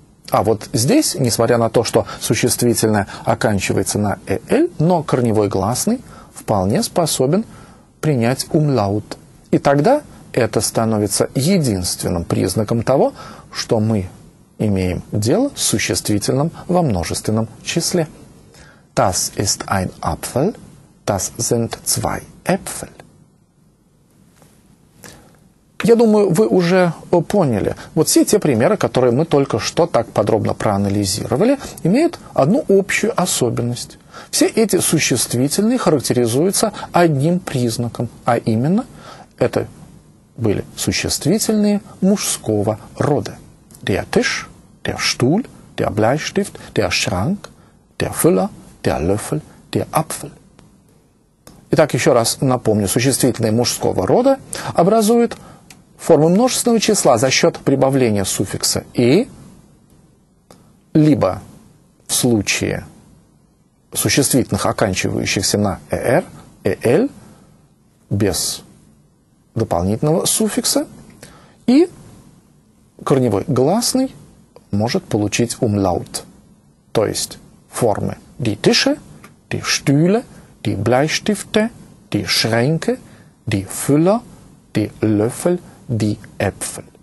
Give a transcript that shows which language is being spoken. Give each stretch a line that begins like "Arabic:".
Russian: А вот здесь, несмотря на то, что существительное оканчивается на «el», но корневой гласный вполне способен принять умлаут. И тогда это становится единственным признаком того, что мы имеем дело с существительным во множественном числе.
German: Das ist ein Apfel, das sind zwei Äpfel.
Russian: Я думаю, вы уже поняли. Вот все те примеры, которые мы только что так подробно проанализировали, имеют одну общую особенность. Все эти существительные характеризуются одним признаком, а именно это были существительные мужского рода.
German: Der Tisch, der Stuhl, der Bleistift, der Schrank, der Füller, der Löffel, der Apfel.
Russian: Итак, еще раз напомню, существительные мужского рода образуют формы множественного числа за счет прибавления суффикса «и», либо в случае существительных, оканчивающихся на «er», «el», без дополнительного суффикса, и корневой гласный может получить «umlaut», то есть формы
German: «die Tische», «die Stühle», «die Bleistifte», «die Schränke», «die Füller», «die Löffel», die Äpfel.